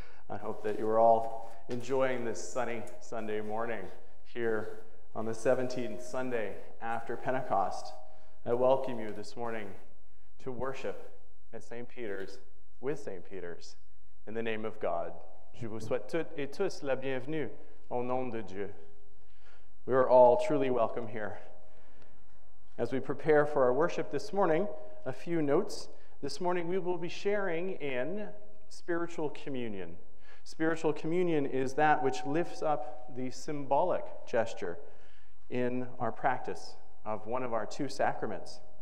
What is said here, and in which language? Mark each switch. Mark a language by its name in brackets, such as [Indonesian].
[English] I hope that you are all enjoying this sunny Sunday morning here on the 17th Sunday after Pentecost. I welcome you this morning to worship at St. Peter's with St. Peter's in the name of God. [French] Je vous souhaite toutes et tous la bienvenue au nom de Dieu. [English] We are all truly welcome here. As we prepare for our worship this morning, a few notes. This morning we will be sharing in spiritual communion. Spiritual communion is that which lifts up the symbolic gesture in our practice of one of our two sacraments.